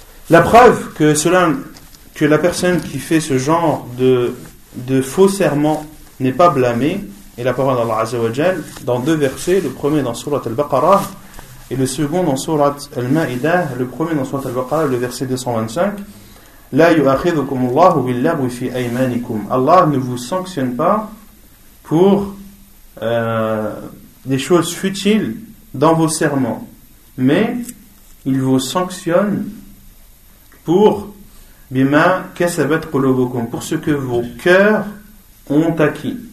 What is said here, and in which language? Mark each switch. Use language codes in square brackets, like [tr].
[fr] La preuve que cela, que la personne qui fait ce genre de faux serment n'est pas blâmée, et la parole d'Allah Azza wa Jal, dans deux versets, le premier dans Surat al-Baqarah, et le second dans Surat al-Ma'idah, le premier dans Surat al-Baqarah, le verset 225. [ar] لا يؤاخذكم الله باللغو في أيمانكم. [fr] Allah ne vous sanctionne pas pour des choses futiles dans vos serments, mais il vous sanctionne pour [ar] بما كسبت قلوبكم, [fr] pour ce que vos cœurs ont acquis.